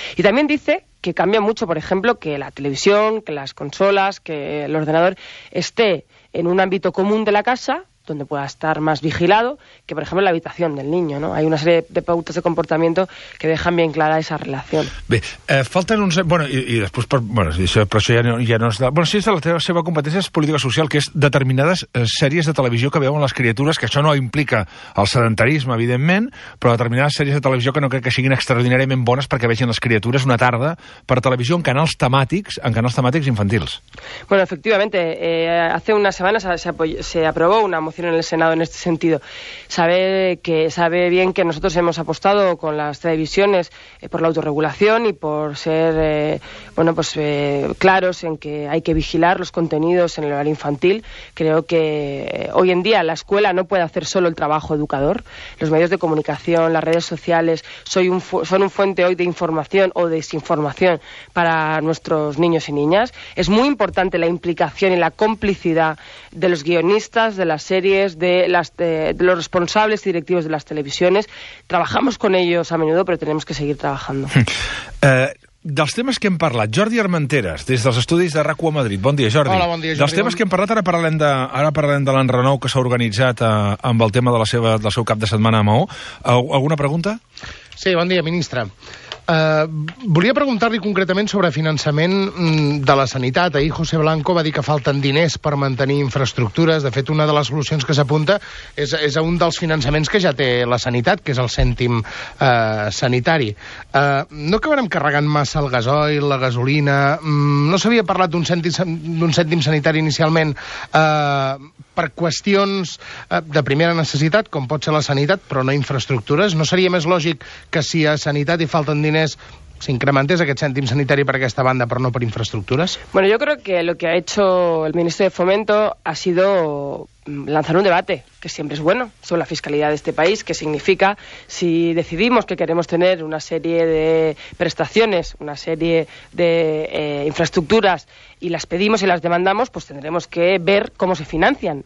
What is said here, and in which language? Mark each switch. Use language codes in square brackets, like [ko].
[es] Y también dice que cambia mucho, por ejemplo, que la televisión, que las consolas, que el ordenador esté en un ámbito común de la casa, donde pueda estar más vigilado, que, por ejemplo, la habitación del niño, ¿no? Hay una serie de pautas de comportamiento que dejan bien clara esa relación. [ca] Bé, falten uns... Bueno, i després... Sí, és la seva competència, és política social, que és determinades sèries de televisió que veuen les criatures, que això no implica el sedentarisme, evidentment, però determinades sèries de televisió que no crec que siguin extraordinàriament bones perquè vegin les criatures una tarda per televisió en canals temàtics, infantils. [es] Bueno, efectivamente, hace unas semanas se aprobó una moción en el Senado en este sentido. Sabe bien que nosotros hemos apostado con las televisiones por la autorregulación y por ser claros en que hay que vigilar los contenidos en el horario infantil. Creo que hoy en día la escuela no puede hacer solo el trabajo educador. Los medios de comunicación, las redes sociales son un fuente hoy de información o desinformación para nuestros niños y niñas. Es muy importante la implicación y la complicidad de los guionistas de las series, de los responsables y directivos de las televisiones. Trabajamos con ellos a menudo, pero tenemos que seguir trabajando. [ca] Dels temes que hem parlat, Jordi Armenteres, des dels estudis de RAC1 a Madrid. Bon dia, Jordi. Hola, bon dia, Jordi. Dels temes que hem parlat, ara parlarem de l'enrenou que s'ha organitzat amb el tema del seu cap de setmana a Maó. Alguna pregunta? Sí, bon dia, ministre. Volia preguntar-li concretament sobre finançament de la sanitat. Ahir José Blanco va dir que falten diners per mantenir infraestructures. De fet, una de les solucions que s'apunta és a un dels finançaments que ja té la sanitat, que és el cèntim sanitari. No acabarem carregant massa el gasoil, la gasolina? No s'havia parlat d'un cèntim sanitari inicialment per qüestions de primera necessitat, com pot ser la sanitat, però no infraestructures? No seria més lògic que si a sanitat hi falten diners s'incrementés aquest cèntim sanitari per aquesta banda, però no per infraestructures? [es] Bueno, yo creo que lo que ha hecho el ministro de Fomento ha sido lanzar un debate, que siempre es bueno, sobre la fiscalidad de este país, que significa si decidimos que queremos tener una serie de prestaciones, una serie de infraestructuras, y las pedimos y las demandamos, pues tendremos que ver cómo se financian.